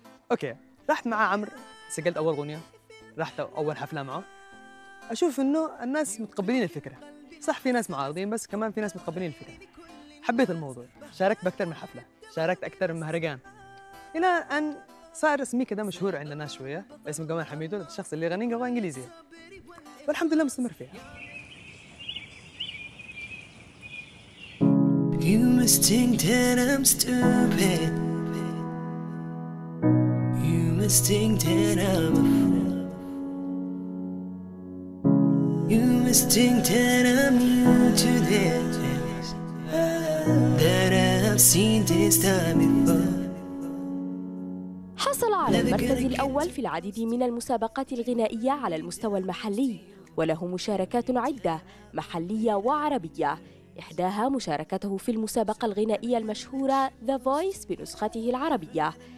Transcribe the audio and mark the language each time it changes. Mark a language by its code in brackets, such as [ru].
[ar] أوكي رحت مع عمر، سجلت أول غنية، رحت أول حفلة معه، أشوف إنه الناس متقبلين الفكرة، صح في ناس معارضين بس كمان في ناس متقبلين الفكرة. حبيت الموضوع، شاركت بأكثر من حفلة، شاركت أكثر من مهرجان، إلى أن صار اسمي كده مشهور عندنا شوية، اسم جمال حميدو، الشخص اللي غني لغة إنجليزية، والحمد لله مستمر فيها. [en] You must think that I'm stupid. You must think that I'm a fool. You must think that I'm new to this. That I've seen this time before. [ar] حصل على المركز الأول في العديد من المسابقات الغنائية على المستوى المحلي، وله مشاركات عدة محلية وعربية، إحداها مشاركته في المسابقة الغنائية المشهورة The Voice بنسخته العربية.